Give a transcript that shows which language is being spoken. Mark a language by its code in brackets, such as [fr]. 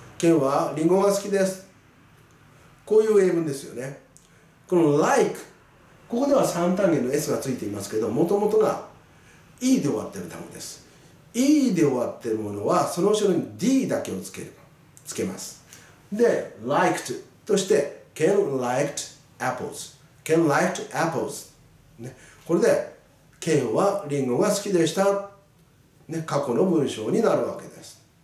[ja] Ken はリンゴが好きです、こういう英文ですよね。この like、ここでは3単元の S がついていますけど、もともとが E で終わっている単語です。 E で終わっているものは、その後ろに D だけをつけます。 [en] で、liked [ja] として、 [en] Ken liked apples。 Ken liked apples、ね。 [ja] これで、Ken はリンゴが好きでした、ね。過去の文章になるわけです。